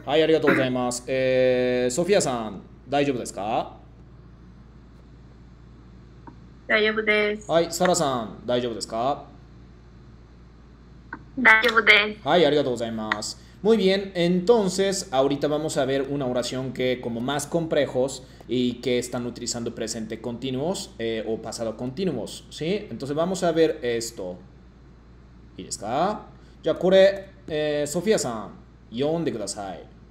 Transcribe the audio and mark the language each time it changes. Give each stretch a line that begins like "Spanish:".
Japanese: はい、ありがとうございます。ソフィアさん、大丈夫ですか? 大丈夫です。はい、サラさん、大丈夫ですか? 大丈夫です。はい、ありがとうございます。
Spanish: Muy bien, entonces ahorita vamos a ver una oración que como más complejos y que están utilizando presente continuos o pasado continuos, ¿sí? Entonces vamos a ver esto.
Japanese: ¿いいですか? じゃあこれ, ソフィアさん 読んでください。